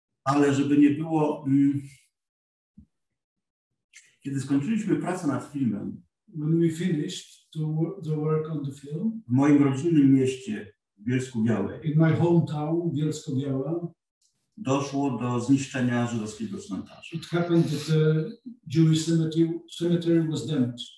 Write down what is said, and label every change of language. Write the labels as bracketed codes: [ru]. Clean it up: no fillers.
[pl] Ale żeby nie było, kiedy skończyliśmy pracę nad filmem, [en] when we finished the work on the film, [pl] w moim rodzinnym mieście, w Bielsku-Białej, [en] in my hometown, Bielsko-Biała, [pl] doszło do zniszczenia żydowskiego cmentarza. [en] It happened that the Jewish cemetery was damaged.